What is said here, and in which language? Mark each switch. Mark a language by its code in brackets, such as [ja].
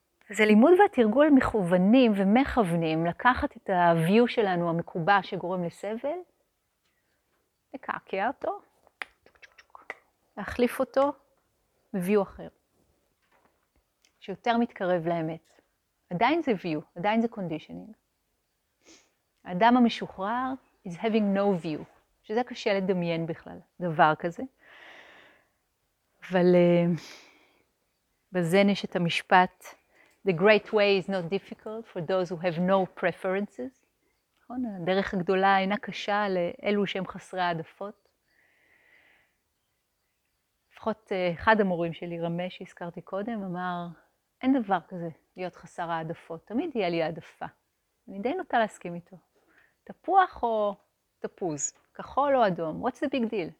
[he] אז הלימוד והתרגול מכוונים ומכוונים לקחת את הוויו שלנו המקובע שגורם לסבל, לקעקע אותו, להחליף אותו בוויו אחר, שיותר מתקרב לאמת. עדיין זה וויו, עדיין זה קונדישנינג. האדם המשוחרר [en] is having no view, [he] שזה קשה לדמיין בכלל, דבר כזה. אבל בזן יש את המשפט, [en] the great way is not difficult for those who have no preferences. [he] נכון? הדרך הגדולה אינה קשה לאלו שהם חסרי העדפות. לפחות אחד המורים שלי, רמה, שהזכרתי קודם, אמר, אין דבר כזה להיות חסר העדפות, תמיד יהיה לי העדפה. אני די נוטה להסכים איתו. תפוח או תפוז, כחול או אדום, [en] what's the big deal?